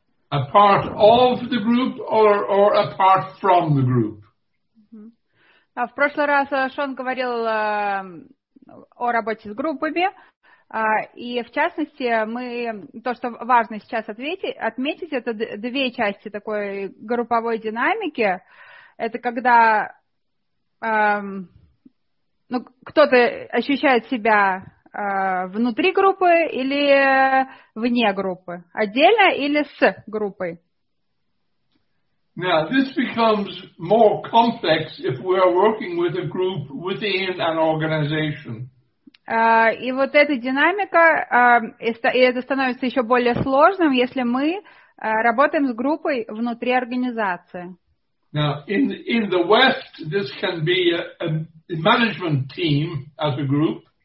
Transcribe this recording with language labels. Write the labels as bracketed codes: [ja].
[en] A part of the group or a part from the group. Mm-hmm. [ru] В прошлый раз Шон говорил о работе с группами, и в частности мы то, что важно сейчас отметить, это две части такой групповой динамики. Это когда ну, кто-то ощущает себя внутри группы или вне группы, отдельно или с группой. [en] Now, this becomes more complex if we are working with a group within an organization. [ru] И вот эта динамика, и это становится еще более сложным, если мы работаем с группой внутри организации. [en] Now, in the West, this can be a management team as a group.